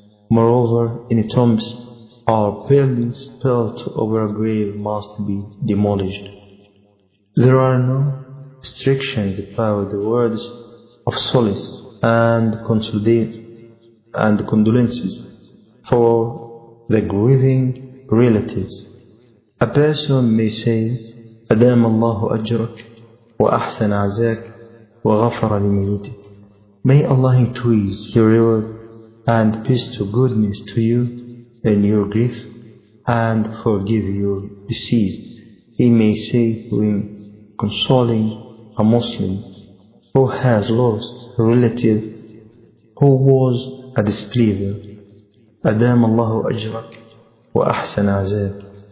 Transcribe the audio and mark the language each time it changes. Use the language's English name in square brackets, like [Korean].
[English] Moreover, any tombs or buildings built over a grave must be demolished. There are no restrictions about the words of solace and condolences for the grieving relatives. A person may say [Arabic] أدام الله أجرك وأحسن عزاك وغفر لميتك. [English] May Allah increase your reward and peace to goodness to you in your grief and forgive your deceased. He may say when consoling a Muslim who has lost a relative who was a disbeliever, [Arabic] أدام الله أجرك وأحسن عزاك.